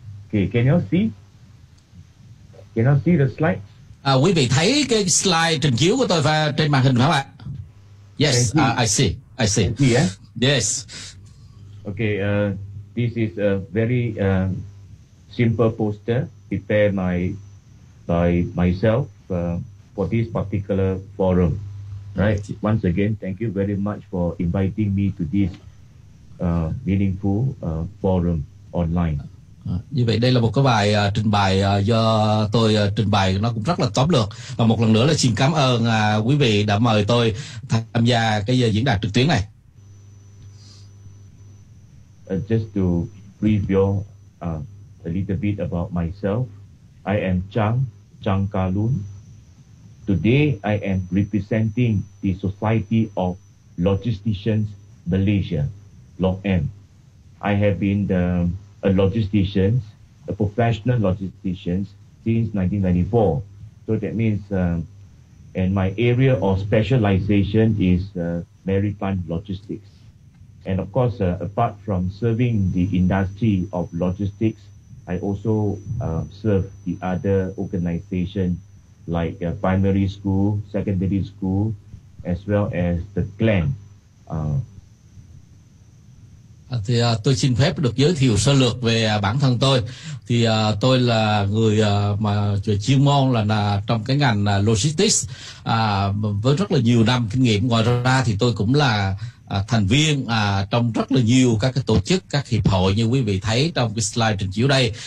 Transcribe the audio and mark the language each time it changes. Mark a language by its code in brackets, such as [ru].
[en] Can you see the slide? [vi] Quý vị thấy cái slide trình chiếu của tôi và trên màn hình phải không ạ? [en] Yes, I see. Yes. Okay, this is a very simple poster prepared by myself for this particular forum. Right. Once again, thank you very much for inviting me to this meaningful forum online. [vi] Như vậy đây là một cái bài trình bày do tôi trình bày, nó cũng rất là tóm lược. Và một lần nữa là xin cảm ơn quý vị đã mời tôi tham gia cái diễn đàn trực tuyến này. [en] Just to brief you a little bit about myself, I am Chang, Chang Kalun. Today I am representing the Society of Logisticians Malaysia, LOGM. I have been a logistician, a professional logistician since 1994. So that means, and my area of specialization is maritime logistics. And of course, apart from serving the industry of logistics, I also serve the other organization like primary school, secondary school, as well as the GLAN. [vi] Thì tôi xin phép được giới thiệu sơ lược về bản thân tôi. Thì tôi là người mà chuyên môn là trong cái ngành logistics với rất là nhiều năm kinh nghiệm. Ngoài ra thì tôi cũng là thành viên trong rất là nhiều các cái tổ chức, các hiệp hội như quý vị thấy trong cái slide trình chiếu đây.